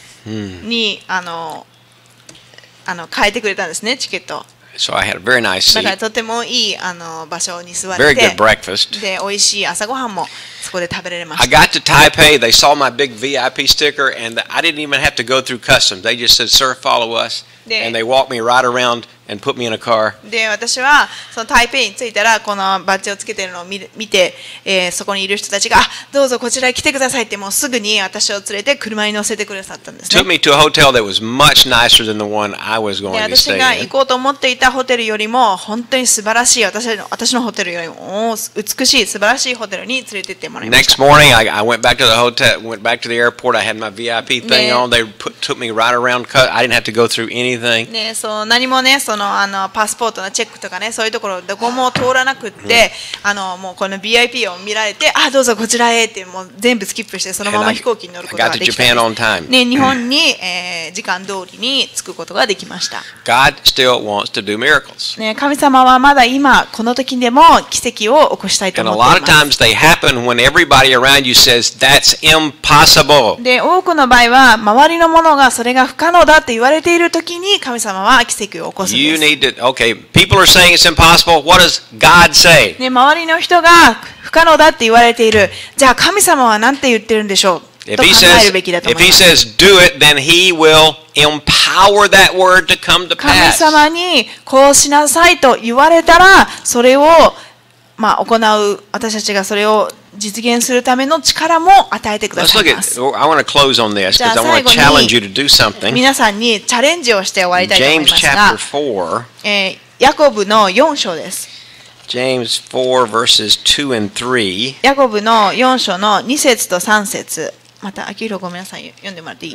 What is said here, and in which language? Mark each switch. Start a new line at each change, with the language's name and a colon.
Japanese: に、変えてくれたんですね、チケット。
English: So I had a very nice seat.
Japanese: だからとてもいい場所に座れて、
English: very good breakfast.
Japanese: で、美味しい朝ごはんもそこで食べられました。
English: I got to Taipei. They saw my big VIP sticker, and I didn't even have to go through customs. They just said, "Sir, follow us." And they walked me right around and put me in a car.
Japanese: で、私はその台北に着いたらこのバッジをつけてるのを見て、そこにいる人たちが、どうぞこちらへ来てくださいってもうすぐに私を連れて車に乗せてくださったんですね。
English: Took me to a hotel that was much nicer than the one I was going to stay in.
Japanese: 私が行こうと思っていたホテルよりも本当に素晴らしい私のホテルよりも美しい素晴らしいホテルに連れて行ってもらいました。
English: Next morning, I went back to the hotel, went back to the airport. I had my VIP thing on. They took me right around. I didn't have to go through anything.
Japanese: ね、そう何もね、そのパスポートのチェックとかね、そういうところどこも通らなくって、もうこの VIP を見られて、あ、どうぞこちらへってもう全部スキップしてそのまま飛行機に乗ることができたんです。
English: And I got to Japan on time.
Japanese: ね、日本に、時間通りに着くことができました。
English: God still wants to do miracles.
Japanese: ね、神様はまだ今この時でも奇跡を起こしたいと思っています
English: 。And a lot of times they happen when everybody around you says that's impossible.
Japanese: で、多くの場合は周りの者がそれが不可能だって言われている時に神様は奇跡を起こすんです。
English: You need to, okay, people are saying it's impossible. What does God say?
Japanese: ね、周りの人が不可能だって言われている。じゃあ神様は何て言ってるんでしょう？
English: If he says, if he says, do it, then he will empower that word to come to pass.
Japanese: 神様にこうしなさいと言われたら、それをまあ行う私たちがそれを実現するための力も与えてくださいます。
English: Let's look at, I want to close on this because I want to challenge you to do something.
Japanese: 皆さんにチャレンジをして終わりたいと思いますが、
English: James chapter 4,
Japanese: ヤコブの4章です。
English: James 4 verses 2 and 3.
Japanese: ヤコブの4章の2節と3節。また、アキヒロごめんなさい、読んでもらっていい？